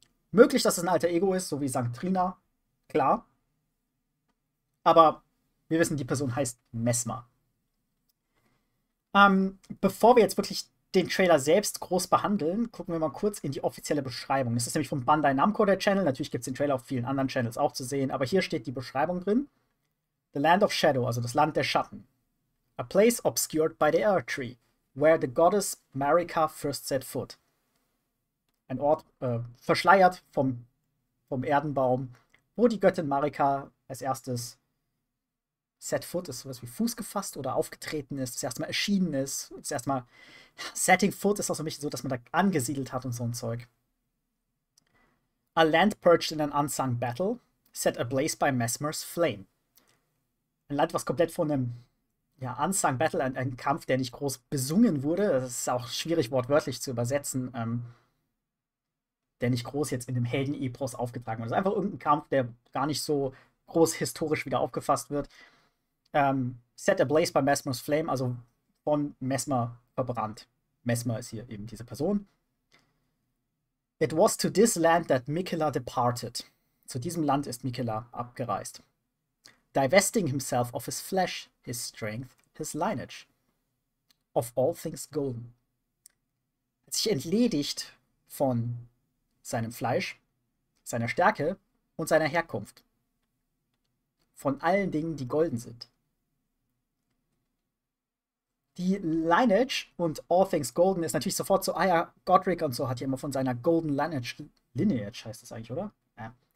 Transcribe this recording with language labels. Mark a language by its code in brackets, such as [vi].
[de] Möglich, dass es ein alter Ego ist, so wie St. Trina. Klar. Aber wir wissen, die Person heißt Mesmer. Bevor wir jetzt wirklich den Trailer selbst groß behandeln, gucken wir mal kurz in die offizielle Beschreibung. Das ist nämlich von Bandai Namco, der Channel. Natürlich gibt es den Trailer auf vielen anderen Channels auch zu sehen, aber hier steht die Beschreibung drin. [en] The Land of Shadow, [de] also das Land der Schatten. [en] A place obscured by the Earth Tree, where the goddess Marika first set foot. [de] Ein Ort verschleiert vom Erdenbaum, wo die Göttin Marika als erstes [en] set foot, [de] ist sowas wie Fuß gefasst oder aufgetreten ist, das erste Mal erschienen ist, das erste Mal [en] setting foot [de] ist auch so ein bisschen so, dass man da angesiedelt hat und so ein Zeug. [en] A land purged in an unsung battle, set ablaze by Mesmer's flame. [de] Ein Land, was komplett von einem [en] unsung battle, [de] ein Kampf, der nicht groß besungen wurde, das ist auch schwierig wortwörtlich zu übersetzen, der nicht groß jetzt in dem Helden-Epos aufgetragen wurde. Das ist einfach irgendein Kampf, der gar nicht so groß historisch wieder aufgefasst wird. [en] Set ablaze by Mesmer's flame, [de] also von Mesmer verbrannt. Mesmer ist hier eben diese Person. [en] It was to this land that Mikela departed. [de] Zu diesem Land ist Mikela abgereist. [en] Divesting himself of his flesh, his strength, his lineage. Of all things golden. [de] Hat sich entledigt von seinem Fleisch, seiner Stärke und seiner Herkunft. Von allen Dingen, die golden sind. Die Lineage und [en] All Things Golden [de] ist natürlich sofort so, ah ja, Godric und so hat hier immer von seiner [en] Golden Lineage [de] heißt das eigentlich, oder? Ja.